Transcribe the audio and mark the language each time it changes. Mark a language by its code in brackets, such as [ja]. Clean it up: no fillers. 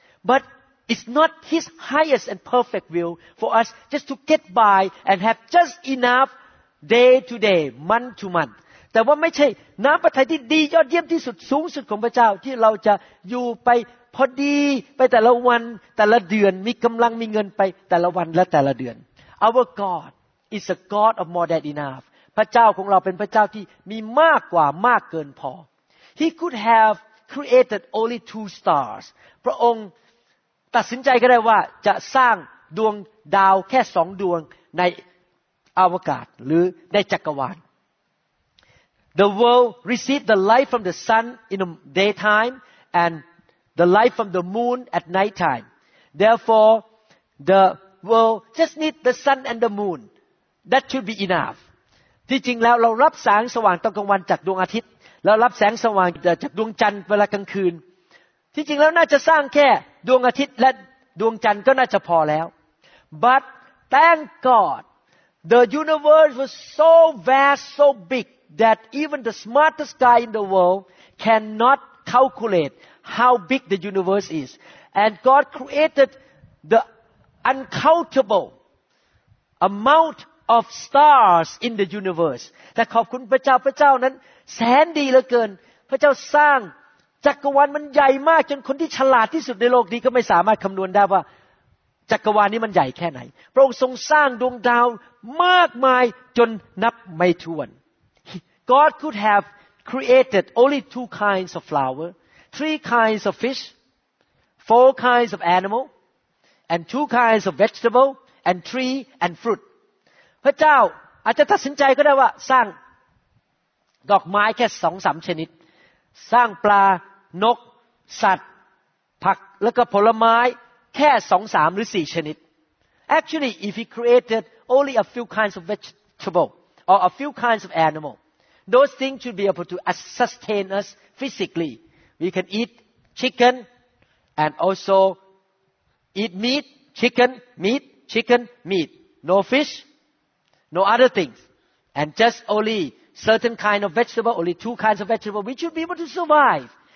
[en] but it's not his highest and perfect will for us just to get by and have just enough day to day month to month [th] แต่ว่าไม่ใช่น้ำพระทัยที่ดียอดเยี่ยมที่สุดสูงสุดของพระเจ้าที่เราจะอยู่ไปพอดีไปแต่ละวันแต่ละเดือนมีกำลังมีเงินไปแต่ละวันและแต่ละเดือน [en] our God is a God of more than enough [th] พระเจ้าของเราเป็นพระเจ้าที่มีมากกว่ามากเกินพอ [en] He could have created only two stars [th] พระองค์ตัดสินใจก็ได้ว่าจะสร้างดวงดาวแค่สองดวงในอวกาศหรือในจักรวาล [en] The world receives the light from the sun in the daytime and the light from the moon at night time. Therefore, the world just needs the sun and the moon. That should be enough. [th] ที่จริงแล้วเรารับแสงสว่างตอนกลางวันจากดวงอาทิตย์เรารับแสงสว่างจากดวงจันทร์เวลากลางคืนที่จริงแล้วน่าจะสร้างแค่ดวงอาทิตย์และดวงจันทร์ก็น่าจะพอแล้ว [en] But thank God the universe was so vast so big that even the smartest guy in the world cannot calculate how big the universe is and God created the uncountable amountOf stars in the universe. [th] แต่ขอบคุณพระเจ้าพระเจ้านั้นแสนดีเหลือเกินพระเจ้าสร้างจักรวาลมันใหญ่มากจนคนที่ฉลาดที่สุดในโลกนี้ก็ไม่สามารถคำนวณได้ว่าจักรวาลนี้มันใหญ่แค่ไหนพระองค์ทรงสร้างดวงดาวมากมายจนนับไม่ถ้วน [en] God could have created only two kinds of flower, three kinds of fish, four kinds of animal, and two kinds of vegetable and tree and fruit. [th] พระเจ้าอาจจะตัดสินใจก็ได้ว่าสร้างดอกไม้แค่ 2-3 ชนิดสร้างปลานกสัตว์ผักแล้วก็ผลไม้แค่ 2-3 หรือ4ชนิด [en] Actually if he created only a few kinds of vegetable or a few kinds of animal those things should be able to sustain us physically we can eat chicken and also eat meat chicken meat no fishNo other things, and just only certain kind of vegetable, only two kinds of vegetable, we should be able to survive.